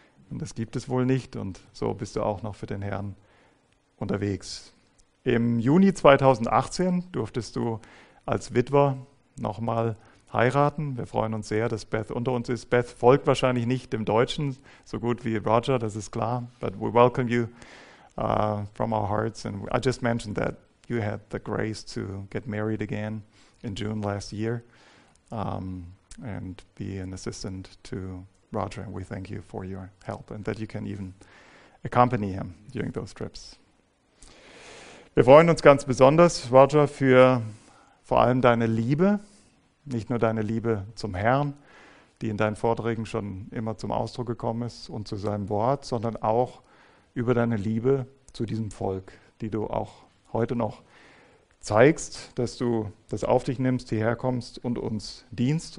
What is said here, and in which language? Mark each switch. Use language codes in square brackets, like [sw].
[de] Und das gibt es wohl nicht und so bist du auch noch für den Herrn unterwegs. Im Juni 2018 durftest du als Witwer nochmal heiraten. Wir freuen uns sehr, dass Beth unter uns ist. Beth folgt wahrscheinlich nicht dem Deutschen so gut wie Roger, das ist klar. [en] But we welcome you from our hearts. And I just mentioned that you had the grace to get married again in June last year. And be an assistant to Roger. And we thank you for your help and that you can even accompany him during those trips. [de] Wir freuen uns ganz besonders, Roger, für vor allem deine Liebe, nicht nur deine Liebe zum Herrn, die in deinen Vorträgen schon immer zum Ausdruck gekommen ist und zu seinem Wort, sondern auch über deine Liebe zu diesem Volk, die du auch heute noch zeigst, dass du das auf dich nimmst, hierher kommst und uns dienst.